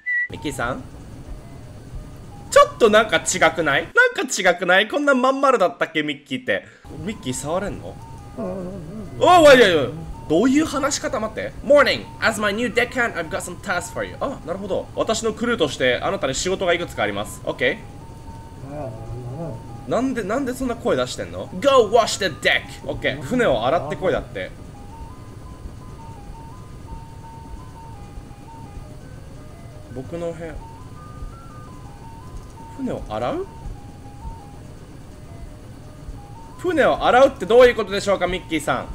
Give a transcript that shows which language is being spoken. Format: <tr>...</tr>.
<ja>ミッキーさん？ちょっとなんか違くない？なんか違くない？こんなまん丸だったっけ、ミッキーって。ミッキー触れんの？おー、わいわいわい。どういう話し方、待って。</ja> <en>Morning! As my new deckhand, I've got some tasks for you.</en> <ja>あ、なるほど。私のクルーとしてあなたに仕事がいくつかあります。</ja> <en>OK?</en> <ja>なんでそんな声出してんの。</ja> <en>Go wash the deck! OK?</en> <ja>船を洗ってこいだって。僕の部屋、船を洗う、船を洗うってどういうことでしょうか、ミッキーさん。</ja>